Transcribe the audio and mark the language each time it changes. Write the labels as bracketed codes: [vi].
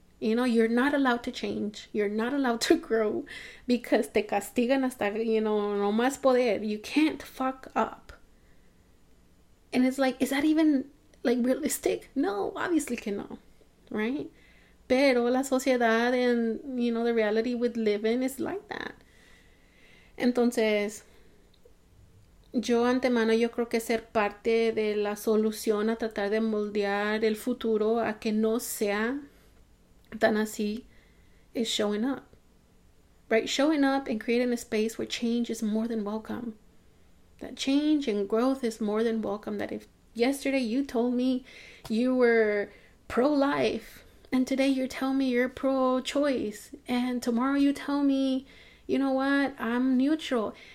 [en] You know, you're not allowed to change. You're not allowed to grow because [es] te castigan hasta, no más poder. [en] You can't fuck up. And it's like, is that even like realistic? No, obviously [es] que no, [en] right? [es] Pero la sociedad [en] and, the reality we live in is like that. [es] Entonces, yo antemano, yo creo que ser parte de la solución a tratar de moldear el futuro a que no sea tan así [en] is showing up, right? Showing up and creating a space where change is more than welcome. That change and growth is more than welcome. That if yesterday you told me you were pro-life and today you tell me you're pro-choice and tomorrow you tell me, you know what, I'm neutral.